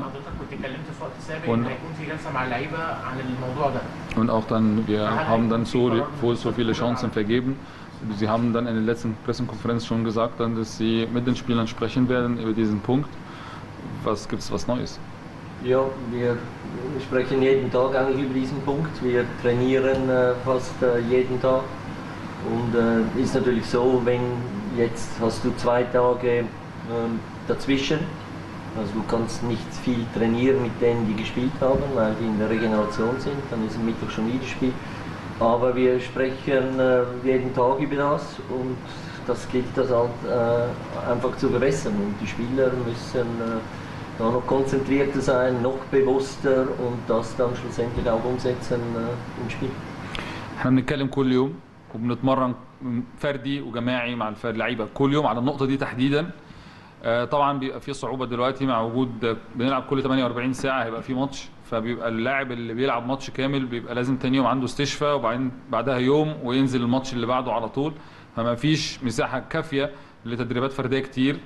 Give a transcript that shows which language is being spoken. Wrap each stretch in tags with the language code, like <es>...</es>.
<ar>حضرتك كنت اتكلمت في وقت سابق ان هيكون في جلسه مع اللعيبه عن الموضوع ده.</ar> <de>Und auch dann, wir haben dann so, so viele Chancen vergeben. Sie haben dann in der letzten Pressekonferenz schon gesagt, dann, dass Sie mit den Spielern sprechen werden über diesen Punkt. Was gibt es was Neues? Ja, wir sprechen jeden Tag eigentlich über diesen Punkt. Wir trainieren fast jeden Tag. Und ist natürlich so, wenn jetzt hast du 2 Tage dazwischen, also du kannst nicht viel trainieren mit denen, die gespielt haben, weil die in der Regeneration sind, dann ist am Mittwoch schon wieder Spiel. Aber wir sprechen jeden Tag über das und das gilt das halt einfach zu verbessern. Und die Spieler müssen da noch konzentrierter sein, noch bewusster und das dann schlussendlich auch umsetzen im Spiel. Wir sprechen jeden Tag.</de> <ar>وبنتمرن فردي وجماعي مع اللعيبه كل يوم على النقطه دي تحديدا. طبعا بيبقى في صعوبه دلوقتي مع وجود بنلعب كل 48 ساعه هيبقى في ماتش، فبيبقى اللاعب اللي بيلعب ماتش كامل بيبقى لازم تاني يوم عنده استشفاء وبعدين بعدها يوم وينزل الماتش اللي بعده على طول، فما فيش مساحه كافيه لتدريبات فرديه كتير.</ar>